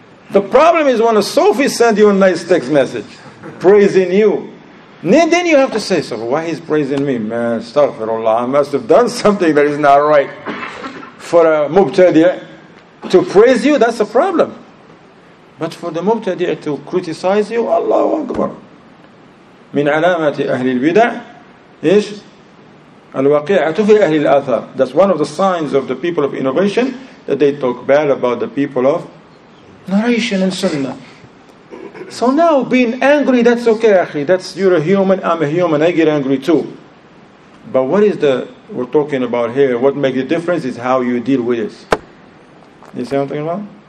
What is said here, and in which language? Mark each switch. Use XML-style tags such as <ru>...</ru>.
<en>The problem is when a Sufi sends you a nice text message praising you, then you have to say, so why he's praising me? Man, astaghfirullah, I must have done something that is not right for a mubtadi' to praise you. That's a problem. But for the mubtadi' to criticize you, Allahu Akbar.</en> <ar>من علامات أهل البدع إيش الواقعة في أهل الآثار.</ar> <en>That's one of the signs of the people of innovation, that they talk bad about the people of narration and sunnah. So now being angry, that's okay, akhi. That's, you're a human, I'm a human, I get angry too. But what is the, we're talking about here, what makes the difference is how you deal with it. You see what I'm talking about?</en>